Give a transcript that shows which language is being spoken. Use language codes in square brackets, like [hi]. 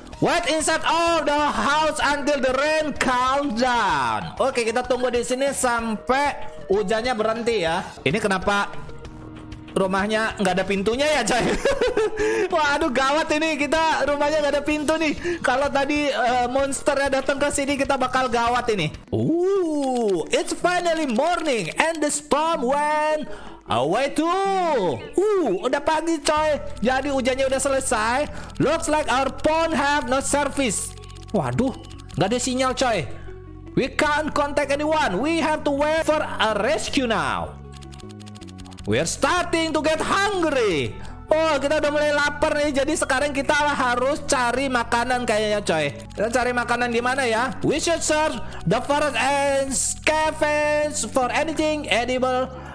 [en] Wait inside all the house until the rain calms down. [id] Oke, kita tunggu di sini sampai hujannya berhenti ya. Ini kenapa rumahnya nggak ada pintunya ya, coy? Waduh, gawat ini. Kita rumahnya nggak ada pintu nih. Kalau tadi monsternya datang ke sini, kita bakal gawat ini. [en] It's finally morning and the storm went away too. [id] Udah pagi, coy. Jadi hujannya udah selesai. [en] Looks like our pond have no service. [id] Waduh, nggak ada sinyal, coy. [en] We can't contact anyone. We have to wait for a rescue now. We're starting to get hungry. [id] Kita udah mulai lapar nih. Jadi sekarang kita harus cari makanan kayaknya, coy. Kita cari makanan di mana ya? [en] We should search the forest and scavenge for anything edible.